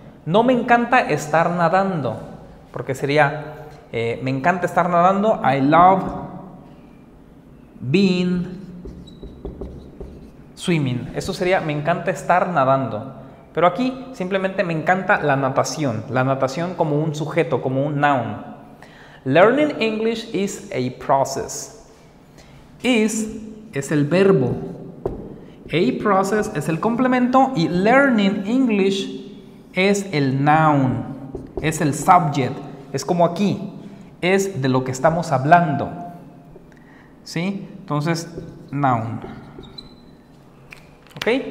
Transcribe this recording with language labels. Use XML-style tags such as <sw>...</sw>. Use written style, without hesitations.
<es>No me encanta estar nadando, porque sería, me encanta estar nadando.</es> <en>I love being swimming.</en> <es>Eso sería, me encanta estar nadando. Pero aquí simplemente me encanta la natación como un sujeto, como un noun.</es> <en>Learning English is a process.</en> <es>Is es el verbo. A process es el complemento y</es> <en>learning English</en> <es>es el noun, es el subject, es como aquí, es de lo que estamos hablando. ¿Sí? Entonces, noun. ¿Ok?</es>